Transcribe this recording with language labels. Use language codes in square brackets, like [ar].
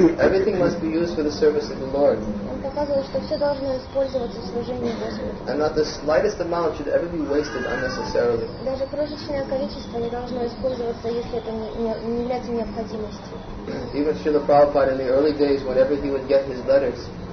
[en] Everything must be used for the service of the Lord. [ru] Он показывал, что все должно использоваться в служении Господу. [en] And not the slightest amount should ever be wasted unnecessarily. [ru] Даже крошечное количество не должно использоваться, если это не является необходимостью. [en] Even Srila Prabhupada in the early days, whenever he would get his letters.